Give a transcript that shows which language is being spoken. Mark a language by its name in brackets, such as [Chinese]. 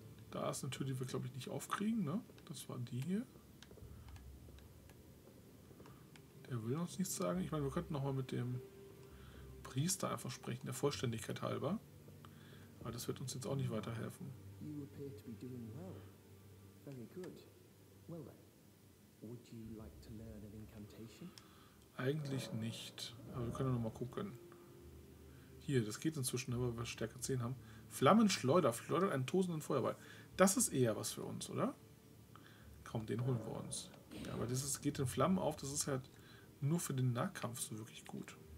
[German] Da ist eine Tür, die wir, glaube ich, nicht aufkriegen. Ne? Das war die hier. Der will uns nichts sagen. Ich meine, wir könnten nochmal mit dem Priester einfach sprechen, der Vollständigkeit halber. Aber das wird uns jetzt auch nicht weiterhelfen. [English] Would you like to learn an incantation? [German] Eigentlich nicht. Aber wir können ja noch mal gucken. Hier, das geht inzwischen, aber wir Stärke 10 haben. Flammenschleuder, schleudert einen tosenden Feuerball. Das ist eher was für uns, oder? Komm, den holen wir uns. Ja, aber das ist, geht in Flammen auf, das ist halt nur für den Nahkampf so wirklich gut.